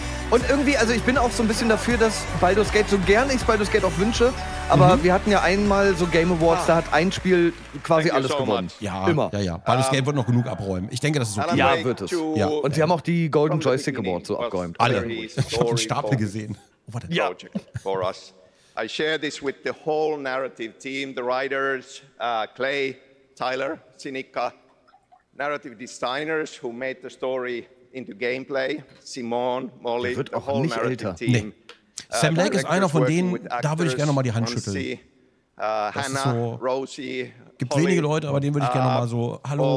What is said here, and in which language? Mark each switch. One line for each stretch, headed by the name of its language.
German: Und irgendwie, also ich bin auch so ein bisschen dafür, dass Baldur's Gate, so gerne ich Baldur's Gate auch wünsche, aber wir hatten ja einmal so Game Awards, da hat ein Spiel quasi alles gewonnen. Ja, immer. Ja. Baldur's Gate wird noch genug abräumen. Ich denke, das ist okay. Ja, wird es. Ja. Und sie haben auch die Golden Joystick Award so abgeräumt. Alle. Ich habe den Stapel gesehen. Oh, warte. Ja.
English: For us. I share this with the whole narrative team, the writers, Clay, Tyler, Sinica, narrative designers who made the story into gameplay, Simone, Molly,
German: wird
English: the whole
German: nicht
English: narrative
German: älter.
English: Team.
German: Nee. Sam Lake ist einer von denen, da würde ich gerne noch mal die Hand schütteln. Hannah, so, Rosie, gibt Holly, wenige Leute, aber den würde ich gerne noch mal so, hallo,